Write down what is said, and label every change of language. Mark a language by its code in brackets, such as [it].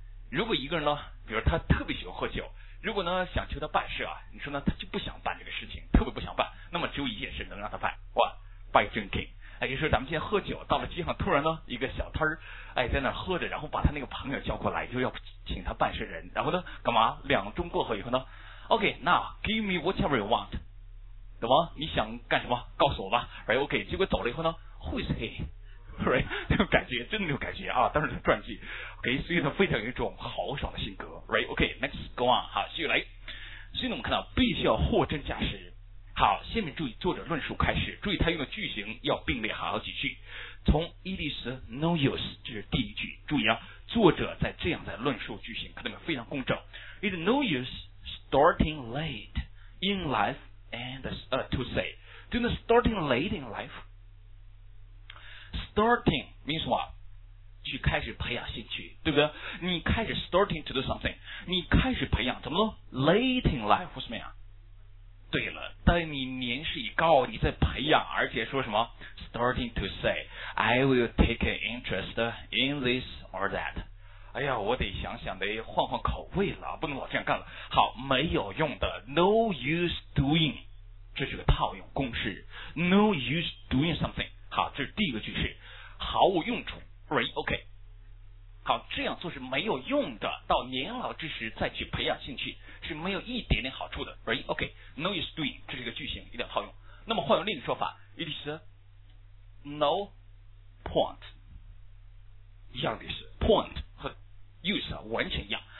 [zh] 如果一个人呢，比如他特别喜欢喝酒，如果呢想求他办事啊，你说呢他就不想办这个事情，特别不想办，那么只有一件事能让他办 ，what？ [en] By drinking。 [zh] 哎，就说咱们现在喝酒，到了街上突然呢一个小摊儿，哎，在那喝着，然后把他那个朋友叫过来，就要请他办事人，然后呢干嘛？两钟过后以后呢 [en] ，OK， now give me whatever you want， [zh] 懂吗？你想干什么？告诉我吧。哎 ，OK， 结果走了以后呢 ， [en] Who is he？ [zh] Right， 那种感觉真的那种感觉啊，当时的传记 ，OK， 所以呢非常有一种豪爽的性格 ，Right， [en] OK，next、okay, go on， [zh] 好，继续来。所以呢我们看到必须要货真价实。好，下面注意作者论述开始，注意他用的句型要并列好几句。从 it is no use， 这是第一句，注意啊，作者在这样的论述句型，看到没有，非常工整。 [en] It is no use starting late in life and to say， [zh] 就那 [en] starting late in life。 Starting means what？ [zh] 去开始培养兴趣，对不对？你开始 [en] starting to do something， [zh] 你开始培养，怎么了 ？ [en] Late in life [zh] 什么呀？对了，当你年事已高，你在培养，而且说什么 ？ [en] Starting to say I will take an interest in this or that。 [zh] 哎呀，我得想想，得换换口味了，不能老这样干了。好，没有用的 ，No use doing， 这是个套用公式 ， [en] No use doing something。 [zh] 好，这是第一个句式，毫无用处 ，right？ OK， 好，这样做是没有用的，到年老之时再去培养兴趣是没有一点点好处的 ，right？ OK， [en] no use doing， [zh] 这是一个句型，一定要套用。那么换用另一个说法 ， [en] it is no point， [zh] 一样的意思 ，point 和 use 完全一样。